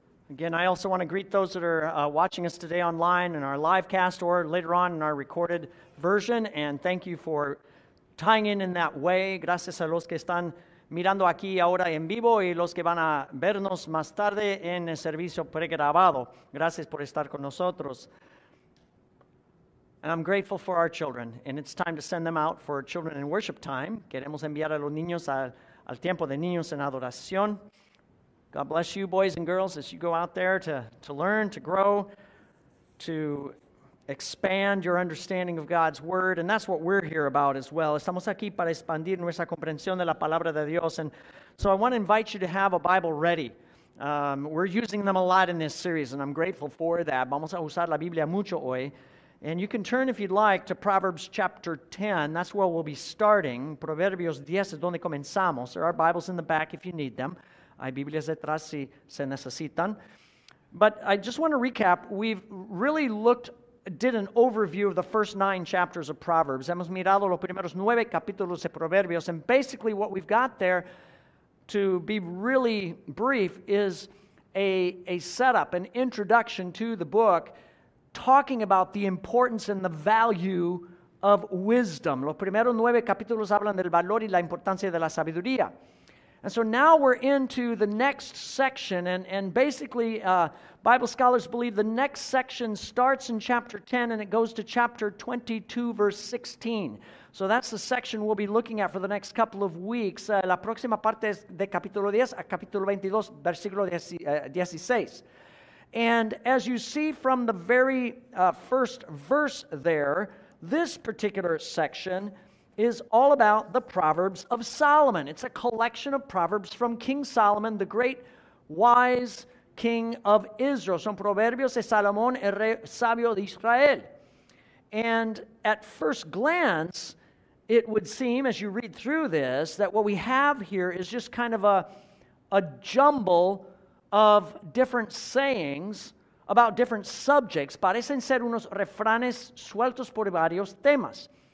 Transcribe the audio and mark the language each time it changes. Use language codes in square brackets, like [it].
[en] Again, I also want to greet those that are watching us today online in our live cast or later on in our recorded version, and thank you for tying in that way. [es] Gracias a los que están mirando aquí ahora en vivo y los que van a vernos más tarde en el servicio pregrabado. Gracias por estar con nosotros. [en] And I'm grateful for our children, and it's time to send them out for children in worship time. [es] Queremos enviar a los niños al tiempo de niños en adoración. [en] God bless you, boys and girls, as you go out there to learn, to grow, to expand your understanding of God's Word, and that's what we're here about as well. [es] Estamos aquí para expandir nuestra comprensión de la Palabra de Dios, [en] and so I want to invite you to have a Bible ready. We're using them a lot in this series, and I'm grateful for that. [es] Vamos a usar la Biblia mucho hoy. [en] And you can turn, if you'd like, to Proverbs chapter 10. That's where we'll be starting. [es] Proverbios 10 es donde comenzamos. [en] There are Bibles in the back if you need them. [es] Hay Biblias detrás si se necesitan. [en] But I just want to recap. We've really did an overview of the first 9 chapters of Proverbs. [es] Hemos mirado los primeros 9 capítulos de Proverbios. [en] And basically what we've got there, to be really brief, is a setup, an introduction to the book, talking about the importance and the value of wisdom. [es] Los primeros 9 capítulos hablan del valor y la importancia de la sabiduría. [en] And so now we're into the next section, and basically Bible scholars believe the next section starts in chapter 10 and it goes to chapter 22, verse 16. So that's the section we'll be looking at for the next couple of weeks. [es] La próxima parte es de capítulo 10 a capítulo 22, versículo 16. [en] And as you see from the very first verse there, this particular section is all about the Proverbs of Solomon. It's a collection of Proverbs from King Solomon, the great wise king of Israel. [es] Son Proverbios de Salomón, el rey sabio de Israel. [en] And at first glance, it would seem, as you read through this, that what we have here is just kind of a jumble of different sayings about different subjects. [es] Parecen ser unos refranes sueltos por varios temas.